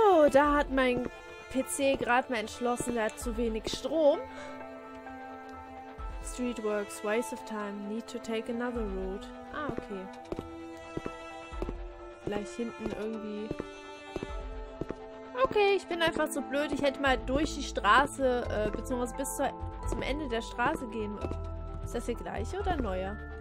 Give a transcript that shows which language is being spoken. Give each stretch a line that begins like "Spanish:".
German: da hat mein PC gerade mal entschlossen, der hat zu wenig Strom.
English: Streetworks, waste of time, need to take another route. Ah, okay.
German: Vielleicht hinten irgendwie. Okay, ich bin einfach so blöd. Ich hätte mal durch die Straße, beziehungsweise bis zum Ende der Straße gehen. Ist das hier gleiche oder neuer?